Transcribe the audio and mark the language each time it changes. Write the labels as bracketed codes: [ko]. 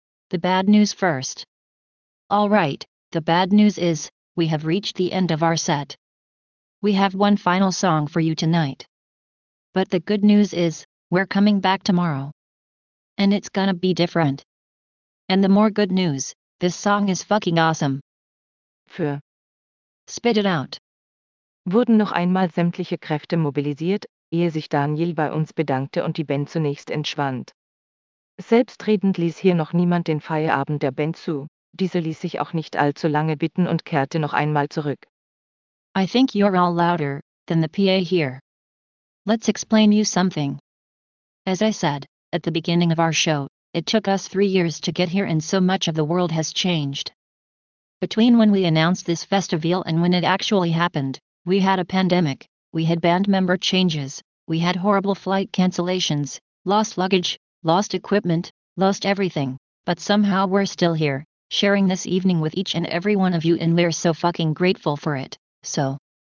[en] The bad news first. Alright, the bad news is, we have reached the end of our set. We have one final song for you tonight. But the good news is, we're coming back tomorrow. And it's gonna be different. And the more good news, this song is fucking awesome. [de] Für. [en] Spit it out. [de] Wurden noch einmal sämtliche Kräfte mobilisiert, ehe sich Daniel bei uns bedankte und die Band zunächst entschwand. Selbstredend ließ hier noch niemand den Feierabend der Band zu, diese ließ sich auch nicht allzu lange bitten und kehrte noch einmal zurück. [en] I think you're all louder than the PA here. Let's explain you something. As I said, at the beginning of our show, it took us 3 years to get here and so much of the world has changed. Between when we announced this festival and when it actually happened, we had a pandemic, we had band member changes, we had horrible flight cancellations, lost luggage, lost equipment, lost everything, but somehow we're still here, sharing this evening with each and every one of you and we're so fucking grateful for it, so.